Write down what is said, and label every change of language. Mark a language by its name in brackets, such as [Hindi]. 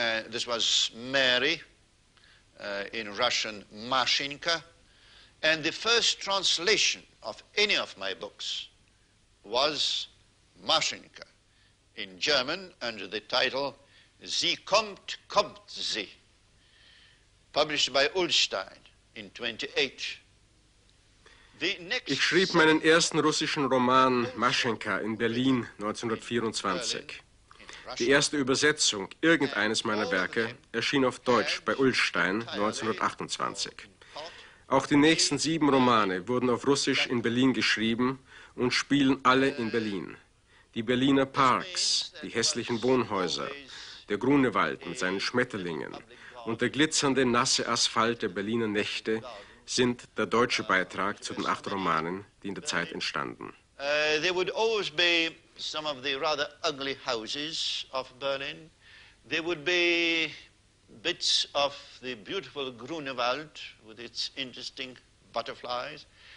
[English] This was Mary, in Russian Mashinka, and the first translation of any of my books was Mashinka, in German under the title [German] Sie kommt, kommt sie, [English] published by Ullstein in 28. [German] Ich schrieb meinen ersten russischen Roman Mashinka in Berlin 1924. Die erste Übersetzung irgendeines meiner Werke erschien auf Deutsch bei Ullstein 1928. Auch die nächsten 7 Romane wurden auf Russisch in Berlin geschrieben und spielen alle in Berlin. Die Berliner Parks, die hässlichen Wohnhäuser, der Grunewald mit seinen Schmetterlingen, und der glitzernde, nasse Asphalt der Berliner Nächte sind der deutsche Beitrag zu den 8 Romanen, die in der Zeit entstanden. [English] There would always be some of the rather ugly houses of Berlin. There would be bits of the beautiful Grunewald with its interesting butterflies.